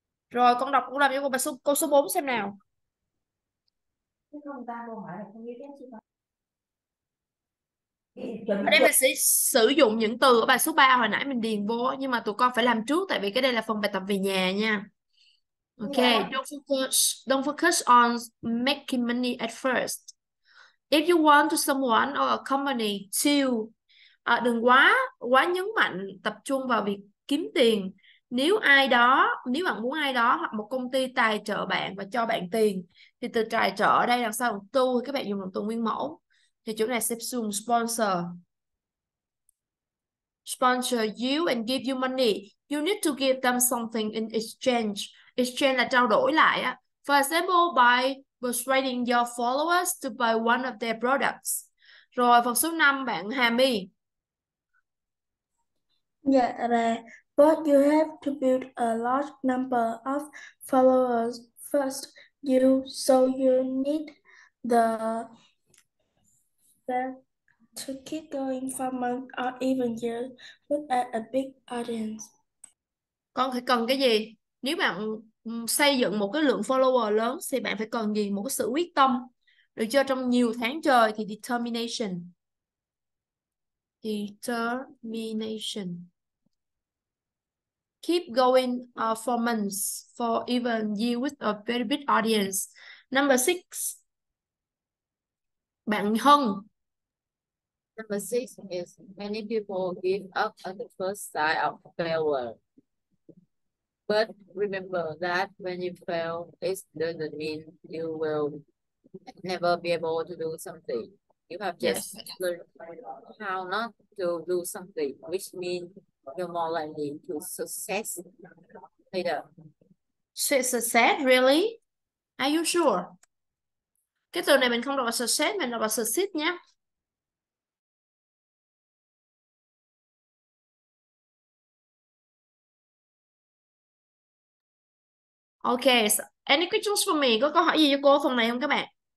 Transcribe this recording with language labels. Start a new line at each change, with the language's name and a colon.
Vietnamese: Rồi, con đọc cũng làm cho câu số 4 xem nào. Ở đây mình sẽ sử dụng những từ ở bài số 3 hồi nãy mình điền vô. Nhưng mà tụi con phải làm trước tại vì cái đây là phần bài tập về nhà nha.
English: Okay, don't focus on making money at first. If you want to someone or a company to
Vietnamese: đừng quá quá nhấn mạnh tập trung vào việc kiếm tiền. Nếu ai đó, nếu bạn muốn ai đó hoặc một công ty tài trợ bạn và cho bạn tiền thì từ tài trợ ở đây đằng sau to các bạn dùng động từ nguyên mẫu thì chỗ này sẽ dùng sponsor.
English: Sponsor you and give you money. You need to give them something in exchange.
Vietnamese: Exchange là trao đổi lại á.
English: For example, by persuading your followers to buy one of their products.
Vietnamese: Rồi phần số 5 bạn Hà My. Dạ là
English: but you have to build a large number of followers first. So you need the to keep going for months or even years without a big audience.
Vietnamese: Con phải cần cái gì? Nếu bạn xây dựng một cái lượng follower lớn thì bạn phải cần gì? Một cái sự quyết tâm được chưa, trong nhiều tháng trời thì determination.
English: Determination. Keep going for months, for even years with a very big audience. Number 6.
Vietnamese: Bạn Hân.
English: Number 6 is many people give up on the first sign of failure. But remember that when you fail, it doesn't mean you will never be able to do something. You have just learned how not to do something, which means you're more likely to success later. Success, really? Are you sure?
Vietnamese: Cái từ này mình không đọc là success, mình đọc là succeed nhé.
English: Ok, so any questions for me?
Vietnamese: Có câu hỏi gì cho cô phần này không các bạn?